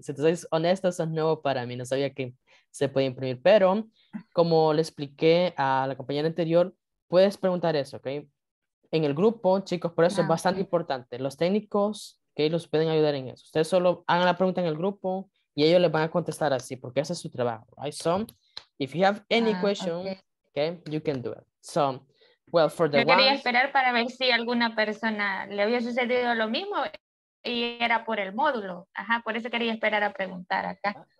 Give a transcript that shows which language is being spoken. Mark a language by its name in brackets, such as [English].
[Spanish] Si te soy honesto, eso es nuevo para mí. No sabía que se podía imprimir. Pero, como le expliqué a la compañera anterior, puedes preguntar eso, ¿ok? En el grupo, chicos, por eso es bastante importante. Los técnicos, ¿okay? Los pueden ayudar en eso. Ustedes solo hagan la pregunta en el grupo y ellos les van a contestar así, porque ese es su trabajo, ¿right? [English] So, if you have any question, okay, you can do it. So, well, for the [Spanish] yo quería esperar para ver si alguna persona le había sucedido lo mismo. Y era por el módulo. Ajá, por eso quería esperar a preguntar acá.